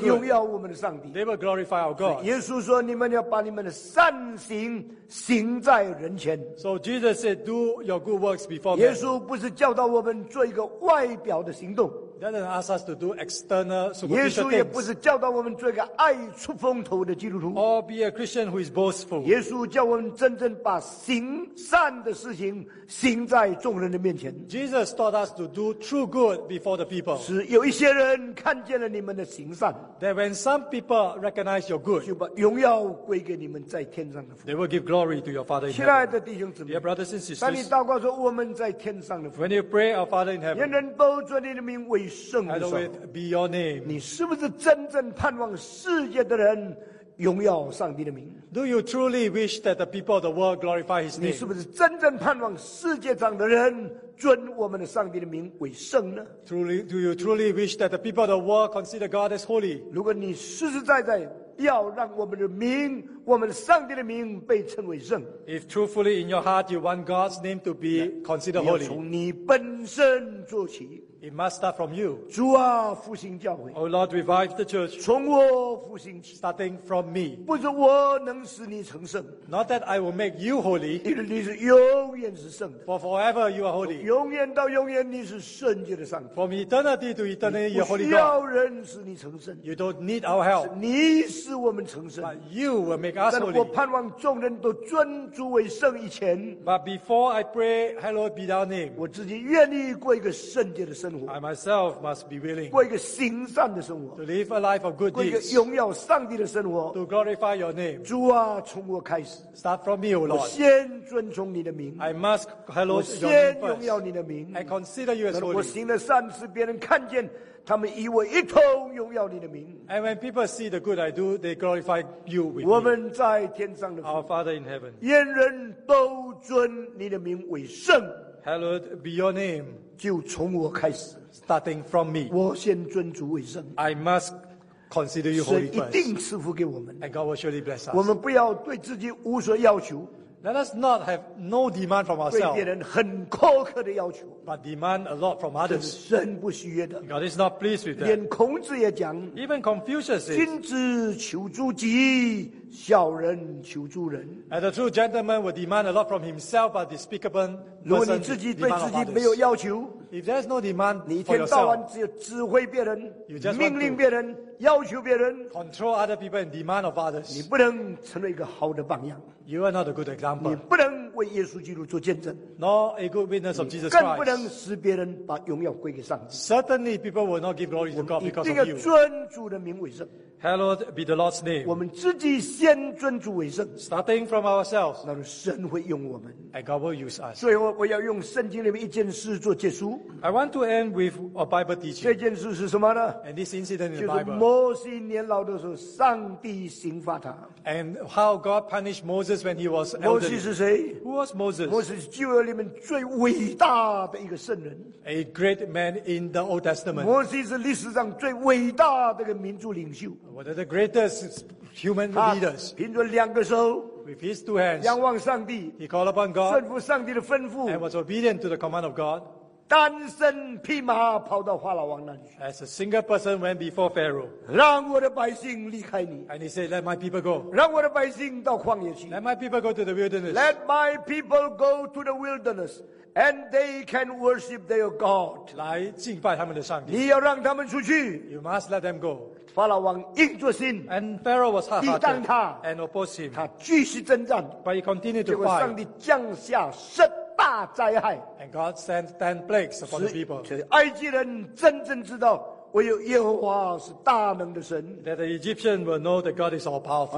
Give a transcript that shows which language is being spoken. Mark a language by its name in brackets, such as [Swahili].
[Chinese] 他们会荣耀我们的上帝。 [English] They will glorify our God. [Chinese] 耶稣说：“你们要把你们的善行行在人前。” [English] So Jesus said, "Do your good works before men." [Chinese] 耶稣不是教导我们做一个外表的行动。 [English] He doesn't ask us to do external superficial things. [Chinese] 耶稣也不是教导我们做一个爱出风头的基督徒。 [English] Or be a Christian who is boastful. [Chinese] 耶稣叫我们真正把行善的事情行在众人的面前。 [English] Jesus taught us to do true good before the people. [Chinese] 是有一些人看见了你们的行善。 [English] That when some people recognize your good, [Chinese] 就把荣耀归给你们在天上的父。 [English] They will give glory to your Father in heaven. [Chinese] 亲爱的弟兄姊妹 [English] ，Dear brothers and sisters, [Chinese] 当你祷告说我们在天上的父 [English] ，When you pray our Father in heaven, [Chinese] 愿人都尊你的名为。 [English] And with be your name. [Chinese] 你是不是真正盼望世界的人荣耀上帝的名 [English] ？Do you truly wish that the people of the world glorify His name? [Chinese] 你是不是真正盼望世界上的人尊我们的上帝的名为圣呢 [English] ？Truly, do you truly wish that the people of the world consider God as holy? [Chinese] 如果你实实在在要让我们的名，我们上帝的名被称为圣 [English] ，If truthfully in your heart you want God's name to be considered holy, [Chinese] 你要从你本身做起。 [English] It must start from you. [Chinese] 主啊，复兴教会。 [English] Oh Lord, revive the church. [Chinese] 从我复兴起。 [English] Starting from me. [Chinese] 不是我能使你成圣。 [English] Not that I will make you holy. [Chinese] 因为你是永远是圣的。 [English] For forever you are holy. [Chinese] 永远到永远你是圣洁的上帝。 [English] From eternity to eternity you are holy God. [Chinese] 不需要人使你成圣。 [English] You don't need our help. [Chinese] 你使我们成圣。 [English] But you will make us holy. [Chinese] 但我盼望众人都尊主为圣以前。 [English] But before I pray, hallowed be thy name. [Chinese] 我自己愿意过一个圣洁的圣。 [English] I myself must be willing [Chinese] 过一个行善的生活 [English] to live a life of good deeds [Chinese] 过一个荣耀上帝的生活 [English] to glorify your name [Chinese] 主啊从我开始 [English] start from me O Lord [Chinese] 我先尊崇你的名 [English] I must hello your name [Chinese] 我先荣耀你的名 [English] I consider you as holy [Chinese] 我行了善事别人看见他们以为一同荣耀你的名 [English] And when people see the good I do they glorify you with me [Chinese] 我们在天上的父 [English] Our Father in heaven [Chinese] 愿人都尊你的名为圣 [English] Hallowed be your name [Chinese] 就从我开始 [English] ，starting from me， [Chinese] 我先尊主为圣。 [English] I must consider you holy first。 [Chinese] 神一定赐福给我们 [English] ，and God will surely bless us。 [Chinese] 我们不要对自己无所要求 [English] ，let us not have no demand from ourselves。 [Chinese] 对别人很苛刻的要求 [English] ，but demand a lot from others。 [Chinese] 神不喜悦的 [English] ，God is not pleased with that。 [Chinese] 连孔子也讲 [English] ，even Confucius says， [Chinese] 君子求诸己。小人求助人 [English] And the true gentleman will demand a lot from himself but despicable person [Chinese] 如果你自己对自己没有要求 [English] If there's no demand for yourself [Chinese] 你一天到晚只有指挥别人 [English] You just want to [Chinese] 命令别人要求别人 [English] Control other people and demand of others [Chinese] 你不能成为一个好的榜样 [English] You are not a good example [Chinese] 你不能为耶稣基督做见证 [English] Nor a good witness of Jesus [Chinese] Christ 更不能使别人把荣耀归给上帝 [English] Certainly people will not give glory to God because of you [Chinese] 我们一定要尊主的名为圣 [English] Hallowed be the Lord's name. [Chinese] 我们自己先尊主为圣 [English] Starting from ourselves. [Chinese] 那神会用我们 [English] And God will use us. [Chinese] 所以我要用圣经里面一件事做结束 [English] I want to end with a Bible teaching. [Chinese] 这件事是什么呢 [English] And this incident in the Bible. [Chinese] 就是摩西年老的时候上帝刑罚他 [English] And how God punished Moses when he was elderly. [Chinese] 摩西是谁 [English] Who was Moses? [Chinese] 摩西是旧约里面最伟大的一个圣人 [English] A great man in the Old Testament. [Chinese] 摩西是历史上最伟大的一个民族领袖 [English] One of the greatest human leaders. [Chinese] 他凭着两个手 [English] with his two hands, [Chinese] 仰望上帝 [English] he called upon God, [Chinese] 顺服上帝的吩咐 [English] and was obedient to the command of God. [Chinese] 单身匹马跑到法老王那里去 [English] as a single person went before Pharaoh. [Chinese] 让我的百姓离开你 [English] and he said, "Let my people go." [Chinese] 让我的百姓到旷野去 [English] "Let my people go to the wilderness." Let my people go to the wilderness. And they can worship their God. [Chinese] 来敬拜他们的上帝你要让他们出去 [English] you must let them go. [Chinese] 法老王硬着心 [English] and Pharaoh was hard-hearted, [Chinese] 抵挡他 [English] and opposed him, [Chinese] 他继续征战 [English] but he continued to [Chinese] 结果上帝降下十大灾害 [English] and God sent 10 plagues upon the people [Chinese] 使埃及人真正知道唯有耶和华是大能的神 [English] that the Egyptian will know that God is all-powerful